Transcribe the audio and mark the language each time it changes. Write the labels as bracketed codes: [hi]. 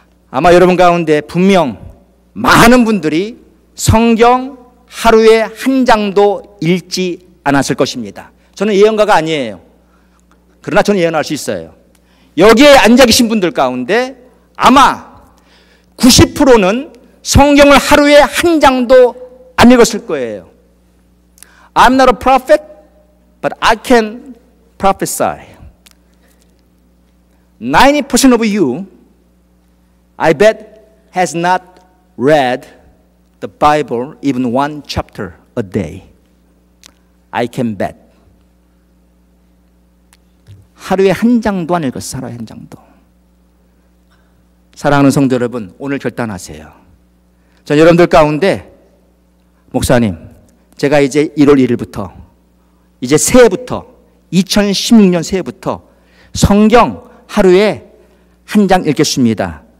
[ko] 아마 여러분 가운데 분명 많은 분들이 성경 하루에 한 장도 읽지 않았을 것입니다. 저는 예언가가 아니에요. 그러나 저는 예언할 수 있어요. 여기에 앉아 계신 분들 가운데 아마 90%는 성경을 하루에 한 장도 안 읽었을 거예요. [en] I'm not a prophet, but I can prophesy. 90% of you, I bet, has not read the Bible even one chapter a day. I can bet. [ko] 하루에 한 장도 안 읽었어요. 하루에 한 장도. 사랑하는 성도 여러분, 오늘 결단하세요. 전 여러분들 가운데 목사님, 제가 이제 1월 1일부터 이제 새해부터 2016년 새해부터 성경 하루에 한 장 읽겠습니다.